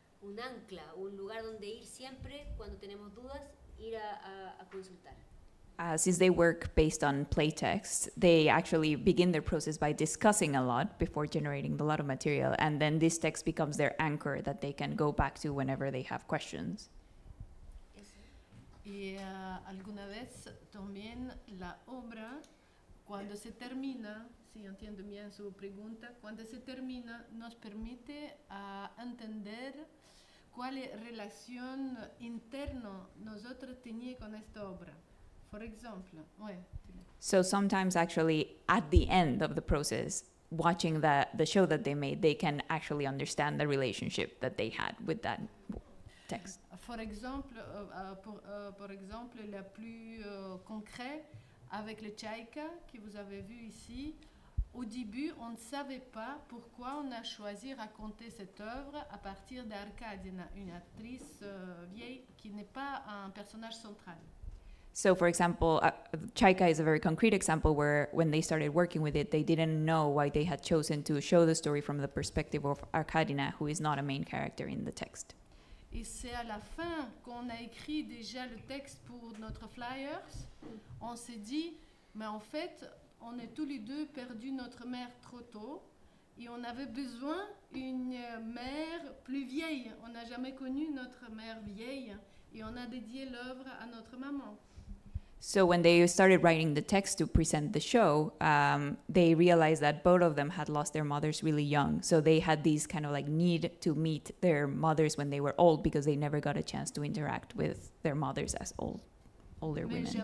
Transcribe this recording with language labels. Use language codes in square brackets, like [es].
[es] un ancla, un lugar donde ir siempre cuando tenemos dudas, ir a consultar. [en] Since they work based on play text, they actually begin their process by discussing a lot before generating a lot of material, and then this text becomes their anchor that they can go back to whenever they have questions. [es] Y alguna vez también la obra, cuando se termina, si entiendo bien su pregunta, cuando se termina nos permite entender cuál es la relación interna nosotros teníamos con esta obra. [en] For example, so sometimes actually at the end of the process, watching the show that they made, they can actually understand the relationship that they had with that text. For example, [fr] pour exemple, la plus concret avec le Chayka que vous avez vu ici. Au début, on ne savait pas pourquoi on a choisi raconter cette œuvre à partir d'Arkadina, une actrice vieille qui n'est pas un personnage central. [en] So, for example, Chayka is a very concrete example where when they started working with it, they didn't know why they had chosen to show the story from the perspective of Arkadina, who is not a main character in the text. [fr] Et c'est à la fin qu'on a écrit déjà le texte pour notre flyers. On s'est dit, mais en fait, on a tous les deux perdu notre mère trop tôt et on avait besoin d'une mère plus vieille. On n'a jamais connu notre mère vieille et on a dédié l'œuvre à notre maman. [en] So when they started writing the text to present the show, they realized that both of them had lost their mothers really young. So they had this kind of like need to meet their mothers when they were old because they never got a chance to interact with their mothers as older [fr] Mais